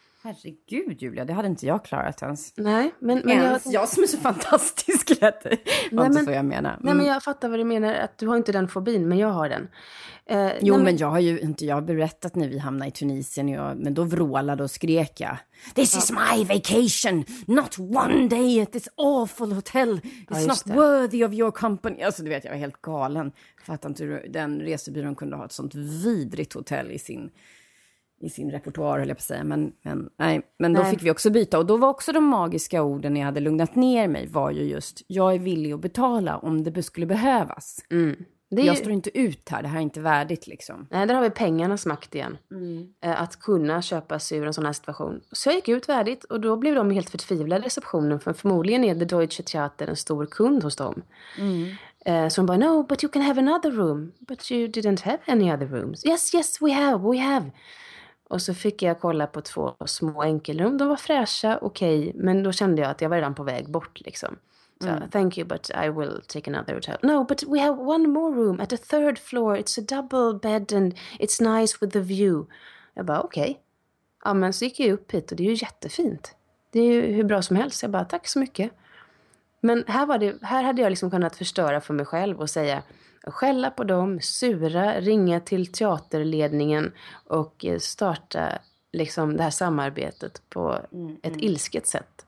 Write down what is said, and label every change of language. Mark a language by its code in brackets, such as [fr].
[sv] Herregud Julia, det hade inte jag klarat ens. Nej, men jag som är så fantastisk lätt. Vad jag menar. Nej, men jag fattar vad du menar, att du har inte den fobin, men jag har den. Men jag har ju inte, jag har berättat när vi hamnade i Tunisien, men då vrålade och skrek jag. [en] This is my vacation, not one day at this awful hotel. It's not worthy of your company. [sv] Alltså du vet, jag var helt galen. Fattar inte hur den resebyrån kunde ha ett sånt vidrigt hotell i sin repertoar, höll jag på att säga. Men fick vi också byta. Och då var också de magiska orden jag hade lugnat ner mig, var ju just, jag är villig att betala om det skulle behövas. Mm. Jag står inte ut här, det här är inte värdigt liksom. Nej, där har vi pengarnas makt igen. Att kunna köpa sig ur en sån här situation. Så jag gick ut värdigt och då blev de helt förtvivlade i receptionen. För förmodligen är The Deutsche Theater en stor kund hos dem. Mm. Så hon bara, [en] no, but you can have another room. But you didn't have any other rooms. Yes, we have. [sv] Och så fick jag kolla på 2 små enkelrum. De var fräscha, okej. Okay, men då kände jag att jag var redan på väg bort liksom. [en] Så, thank you, but I will take another hotel. No, but we have one more room at the 3rd floor. It's a double bed and it's nice with the view. [sv] Jag bara, okej. Okay. Ja, men så gick jag upp hit och det är ju jättefint. Det är ju hur bra som helst. Jag bara, tack så mycket. Men här hade jag liksom kunnat förstöra för mig själv och säga, skälla på dem, sura, ringa till teaterledningen och starta liksom det här samarbetet på ett ilsket sätt.